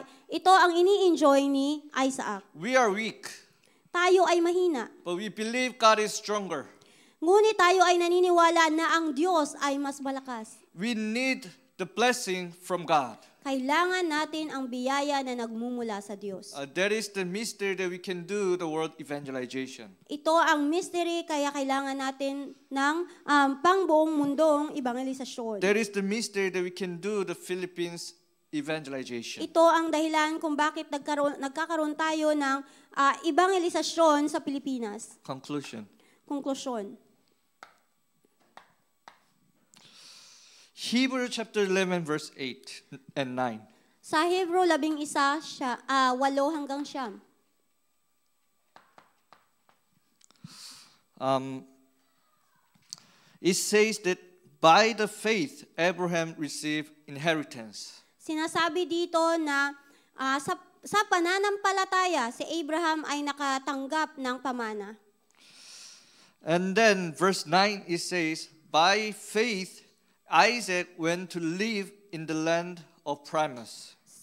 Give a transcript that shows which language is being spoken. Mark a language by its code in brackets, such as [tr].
[tl] Ito ang ini-enjoy ni Isaac. [en] We are weak. [tl] Tayo ay mahina. [en] But we believe God is stronger. [tl] Ngunit tayo ay naniniwala na ang Diyos ay mas malakas. [en] We need the blessing from God. [tl] Kailangan natin ang biyaya na nagmumula sa Diyos. [en] That is the mystery that we can do the world evangelization. [tl] Ito ang mystery kaya kailangan natin ng pangbuong mundong ebangelisasyon. [en] That is the mystery that we can do the Philippines evangelization. [tl] Ito ang dahilan kung bakit nagkakaroon tayo ng ebangelisasyon sa Pilipinas. [en] Conclusion. Conclusion. Hebrew chapter 11 verse 8 and 9. [tl] Sa Hebrew 11 siya 8 hanggang 9. [en] It says that by the faith Abraham received inheritance. [tl] Sinasabi dito na sa pananampalataya si Abraham ay nakatanggap ng pamana. [en] And then verse 9 it says by faith Isaac went to live in the land of promise.